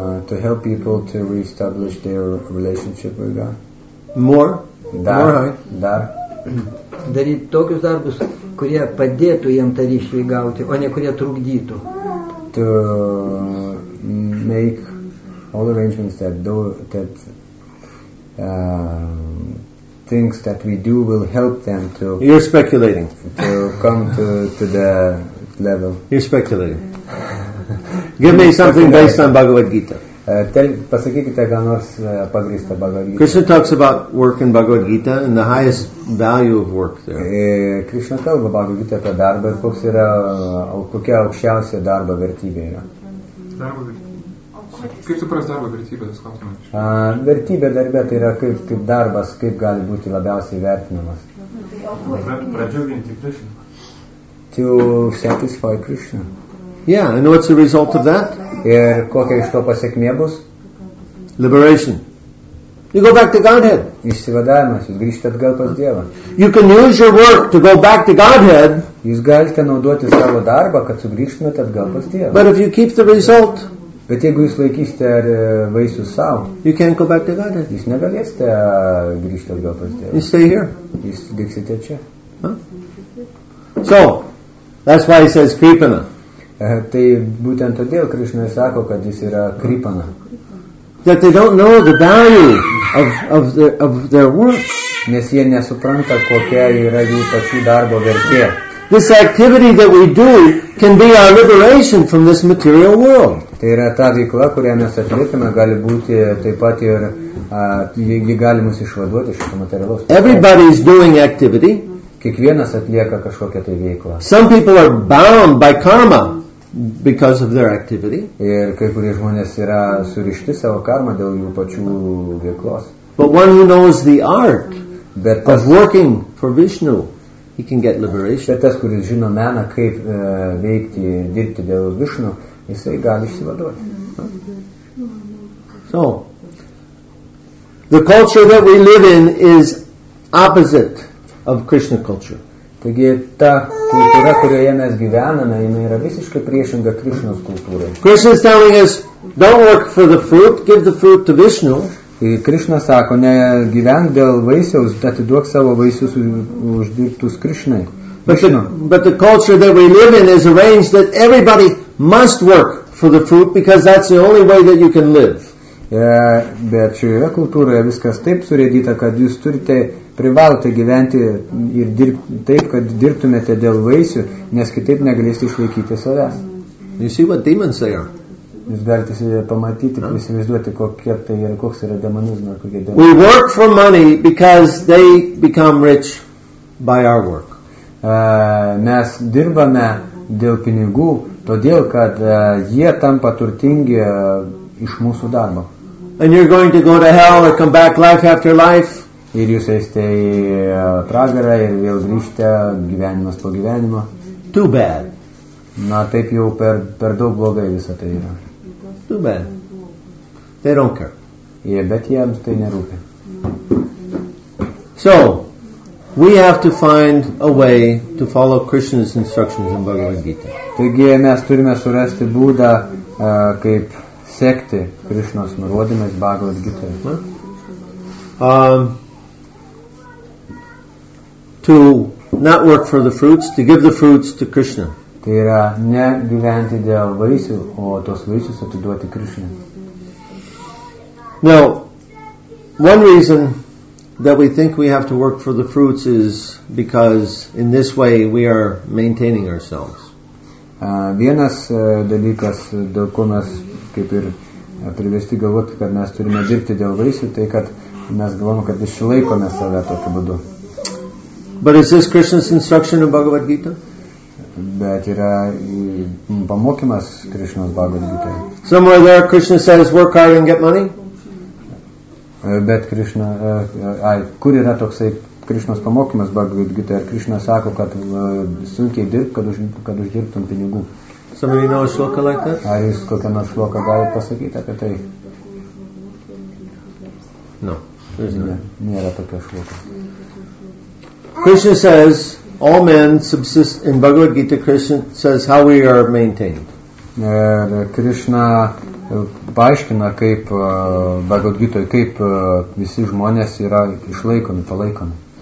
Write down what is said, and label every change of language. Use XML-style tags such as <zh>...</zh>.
<en>To help people to reestablish their relationship with God. More?</en> <lt>Dar.</lt> <en>More.</en> <lt>Dar. Daryti tokius darbus, kurie padėtų jiem tą ryšį įgauti, o ne kurie trukdytų.</lt> <en>To make all arrangements that do that. Things that we do will help them to. You're speculating. To come to the level. You're speculating. Give me something based on Bhagavad Gita.</en> <lt>Pasakykite ką nors pagrįsta Bhagavad Gita.</lt> <en>Krishna talks about work in Bhagavad Gita and the highest value of work there.</en> <lt>Krishna kalba Bhagavad Gita apie darbą ir koks yra kokia aukščiausia darbo vertybė yra. Kaip suprasti darbą vertybę, tas klausimas? Vertybė darbė tai yra kaip darbas, kaip gali būti labiausiai vertinamas. Pradžiuginti Krishna.</lt> <en>To satisfy Krishna. Yeah, and what's the result of that?</en> <lt>Ir kokia iš to pasekmė bus?</lt> <en>Liberation. You go back to Godhead.</en> <lt>Išsivadavimas, jūs grįžti atgal pas Dievą.</lt> <en>You can use your work to go back to Godhead.</en> <lt>Jūs galite naudoti savo darbą, kad sugrįžtumėt atgal pas Dievą.</lt> <en>But if you keep the result...</en> <lt>Bet jeigu jūs laikysite ar vaisių savo,</lt> <en>you can't go back to God.</en> <lt>Jūs negalėsite grįžti atgal pas Dievą.</lt> <en>You stay here.</en> <lt>Jūs liksite čia. Huh?</lt> <en>So, that's why he says Kripana.</en> <lt>Tai būtent todėl Krishna sako, kad jis yra Kripana.</lt> <en>That they don't know the value of their work.</en> <lt>Nes jie nesupranta, kokia yra jų pačių darbo vertė.</lt> <en>This activity that we do can be our liberation from this material world.</en> <lt>Tai yra ta veikla, kurią mes atlikime, gali būti taip pat ir ji gali mus išvaduoti šito materialaus.</lt> <en>Everybody is doing activity.</en> <lt>Kiekvienas atlieka kažkokią tai veiklą.</lt> <en>Some people are bound by karma because of their activity.</en> <lt>Ir kai kurie žmonės yra surišti savo karma dėl jų pačių veiklos.</lt> <en>But one who knows the art of working for Vishnu, he can get liberation.</en> <lt>Bet tas, kuris žino meną, kaip veikti, dirbti dėl Vishnu, jisai gali išsivaduoti.</lt> <en>So, the culture that we live in is opposite of Krishna culture.</en> <lt>Taigi, ta kultūra, kurioje mes gyvename, jinai yra visiškai priešinga Krishnos kultūrai.</lt> <en>Krishna is telling us, don't work for the fruit, give the fruit to Vishnu.</en> <lt>Ir Krishna sako, ne gyvenk dėl vaisiaus, atiduok savo vaisius uždirbtus Krishnai.</lt> <en>But the culture that we live in is arranged that everybody must work for the fruit because that's the only way that you can live.</en> <lt>Bet šioje kultūroje viskas taip surėdyta, kad jūs turite privalote gyventi ir dirbti taip, kad dirbtumėte dėl vaisių, nes kitaip negalėsite išlaikyti savęs.</lt> <en>You see what demons they are.</en> <lt>Jūs galite pamatyti, prisivaizduoti, kokie tai yra, koks yra demonizmas, kokie demonizmas.</lt> <en>We work for money because they become rich by our work.</en> <lt>Mes dirbame dėl pinigų, todėl, kad jie tampa turtingi iš mūsų darbo.</lt> <en>And you're going to go to hell or come back life after life.</en> <lt>Ir jūs eisite į pragarą ir vėl grįžte gyvenimas po gyvenimo.</lt> <en>Too bad.</en> <lt>Na, taip jau per daug blogai visą tai yra.</lt> <en>Too bad. They don't care.</en> <lt>Yeah, bet jiems tai nerūpia.</lt> <en>So, We have to find a way to follow Krishna's instructions in Bhagavad Gita.</en> <lt>Taigi mes turime surasti būdą kaip sekti Krishnos nurodymais Bhagavad Gita.</lt> <en>To not work for the fruits, to give the fruits to Krishna.</en> <lt>Tai yra ne gyventi dėl vaisių, o tos vaisius atiduoti Krishna.</lt> <en>Now, one reason that we think we have to work for the fruits is because in this way we are maintaining ourselves.</en> <lt>Vienas dalykas, dėl ko mes kaip ir privesti galvoti, kad mes turime dirbti dėl vaisių, tai kad mes galvome, kad išlaikome save tokiu būdu.</lt> <en>But is this Krishna's instruction in Bhagavad Gita?</en> <lt>Bet yra pamokymas Krishnos Bhagavad Gita.</lt> <en>Somewhere there Krishna says work hard and get money?</en> <lt>Bet Krishna, kur yra toksai Krishnos pamokymas Bhagavad Gita? Ir Krishna sako, kad sunkiai dirb, kad uždirbtum pinigų.</lt> <en>Some of you know a shloka like that?</en> <lt>Ar jis kokią nors šloką gali pasakyti apie tai?</lt> <en>No.</en> <lt>Nėra tokio šloka.</lt> <en>Krishna says, all men subsist, in Bhagavad Gita, Krishna says how we are maintained.</en> <lt>Ir Krishna paaiškina, kaip Bhagavad Gita, kaip visi žmonės yra išlaikomi, palaikomi.</lt>